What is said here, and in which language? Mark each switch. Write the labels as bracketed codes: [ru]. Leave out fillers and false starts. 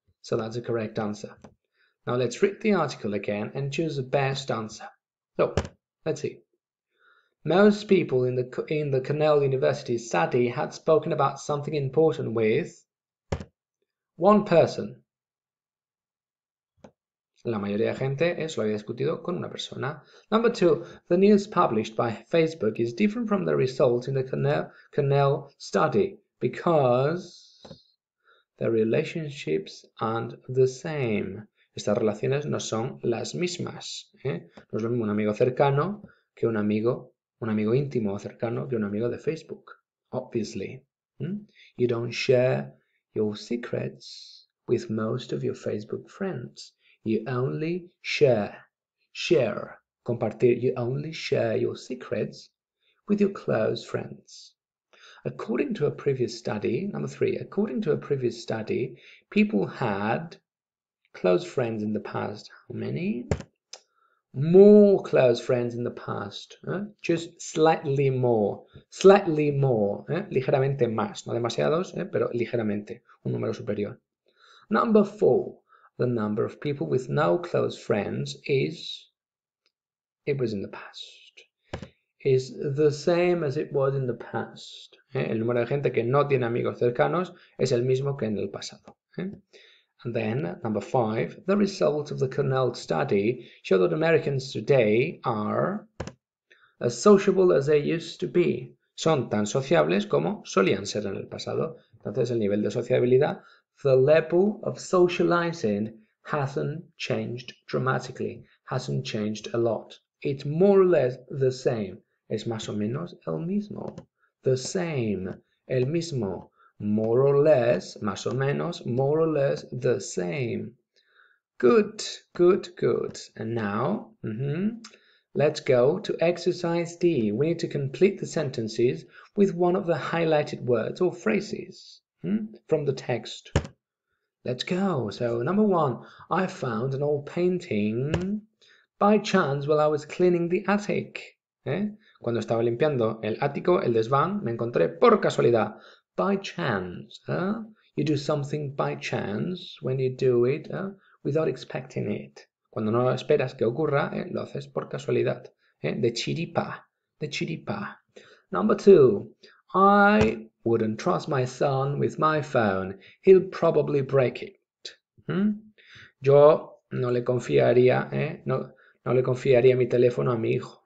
[en] So that's the correct answer. Now let's read the article again and choose the best answer. So, let's see. Most people in the Cornell University study had spoken about something important with one person. [es] La mayoría de gente eso lo había discutido con una persona. [en] Number two, the news published by Facebook is different from the results in the Cornell study because the relationships aren't the same. [es] Estas relaciones no son las mismas. No es lo mismo un amigo cercano que un amigo íntimo o cercano que un amigo de Facebook. [en] Obviously. You don't share your secrets with most of your Facebook friends. You only share, compartir. You only share your secrets with your close friends. According to a previous study, number three, according to a previous study, people had close friends in the past. How many? More close friends in the past. Just slightly more. Slightly more. [es] Ligeramente más. No demasiados, pero ligeramente. Un número superior. [en] Number four. The number of people with no close friends is, it was in the past, is the same as it was in the past. [es] El número de gente que no tiene amigos cercanos es el mismo que en el pasado. [en] And then, number five, the results of the Cornell study show that Americans today are as sociable as they used to be. [es] Son tan sociables como solían ser en el pasado. Entonces, el nivel de sociabilidad, [en] the level of socializing hasn't changed dramatically, hasn't changed a lot. It's more or less the same. [es] Es más o menos el mismo. [en] The same. [es] El mismo. [en] More or less. [es] Más o menos. [en] More or less the same. Good. Good. Good. And now, let's go to exercise D. We need to complete the sentences with one of the highlighted words or phrases from the text. Let's go. So, number one, I found an old painting by chance while I was cleaning the attic. [es] Cuando estaba limpiando el ático, el desván, me encontré por casualidad. [en] By chance. You do something by chance when you do it without expecting it. [es] Cuando no esperas que ocurra, lo haces por casualidad. De chiripa. De chiripa. [en] Number two, I wouldn't trust my son with my phone. He'll probably break it. [es] Yo no le confiaría, no le confiaría mi teléfono a mi hijo.